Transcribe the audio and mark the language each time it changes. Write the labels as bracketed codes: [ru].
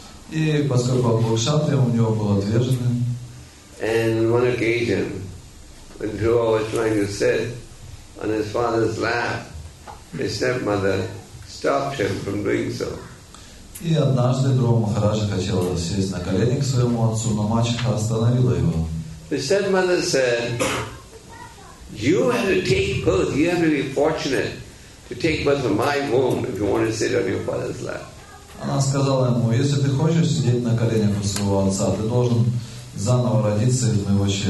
[ru] И поскольку он был кшатрия, у него было 2 жены. [en] And one occasion, when Dhruva was trying to sit on his father's lap, his stepmother stopped him from doing so. [ru] И однажды Дхрува Махараджа хотел сесть на колени к своему отцу, но мачеха остановила его. [en] The stepmother said, "You have to take both. You have to be fortunate to take both of my womb if you want to sit on your father's lap." [ru] Она сказала ему, если ты хочешь сидеть на коленях у своего отца, ты должен заново родиться из моего